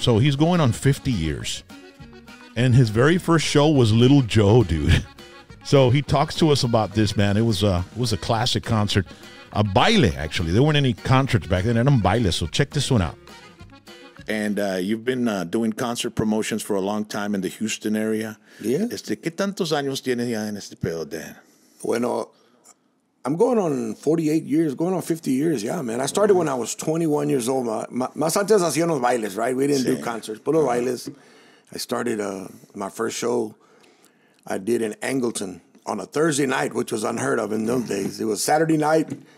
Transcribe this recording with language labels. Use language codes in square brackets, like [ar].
[en] So he's going on 50 years. And his very first show was Little Joe, dude. So he talks to us about this, man. It was a classic concert. A baile, actually. There weren't any concerts back then. And I'm baile, so check this one out. And you've been doing concert promotions for a long time in the Houston area. Yeah. [es] ¿Qué tantos años tienes ya en este pedo, Dan? [en] Bueno, I'm going on 48 years, going on 50 years. Yeah, man. I started when I was 21 years old. [es] Más antes hacíamos bailes, [en] right? We didn't do concerts, but bailes. I started my first show I did in Angleton on a Thursday night, which was unheard of in those days. It was Saturday night.